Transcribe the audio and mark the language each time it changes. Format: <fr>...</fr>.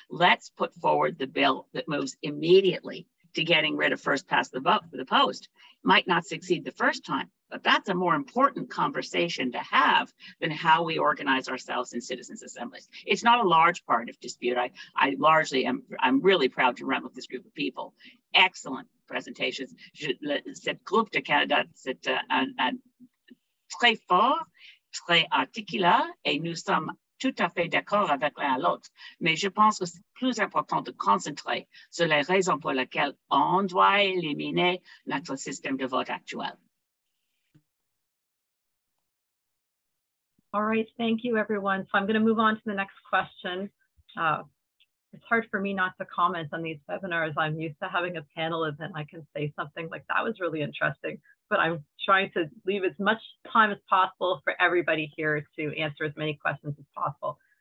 <en>Let's put forward the bill that moves immediately to getting rid of first past the post. Might not succeed the first time, but that's a more important conversation to have than how we organize ourselves in citizens' assemblies. It's not a large part of dispute. I'm really proud to run with this group of people. Excellent presentations.</en> <fr>Cet groupe de Canada, c'est un très fort, très articulé, et nous sommes tout à fait d'accord avec l'un à l'autre. Mais je pense que c'est plus important de concentrer sur les raisons pour lesquelles on doit éliminer notre système de vote actuel.</fr> <en>All right, thank you, everyone. So I'm going to move on to the next question. It's hard for me not to comment on these webinars. I'm used to having a panel event. I can say something like, that was really interesting. But I'm trying to leave as much time as possible for everybody here to answer as many questions as possible.</en>